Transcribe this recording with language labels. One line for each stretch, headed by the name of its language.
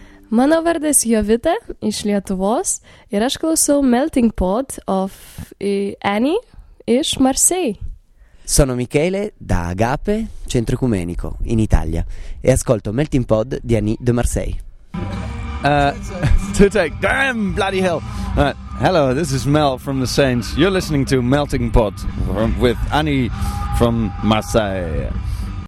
Lithuanian: Mano vardas Jovita iš Lietuvos ir aš klausau Melting Pot of Annie iš Marseille.
Italian: Sono Michele da Agape, centro ecumenico in Italia e ascolto Melting Pot di Annie de Marseille.
English: Two take. Damn bloody hell. Hello, this is Mel from the Saints. You're listening to Melting Pot with Annie from Marseille.